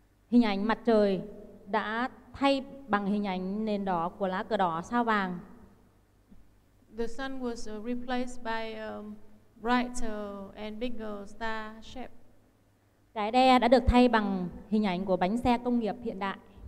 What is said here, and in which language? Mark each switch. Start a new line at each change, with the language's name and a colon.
Vietnamese: Hình ảnh mặt trời đã thay bằng hình ảnh nền đỏ của lá cờ đỏ sao vàng.
English: The sun was replaced by brighter and bigger star shape.
Vietnamese: Cái đe đã được thay bằng hình ảnh của bánh xe công nghiệp hiện đại.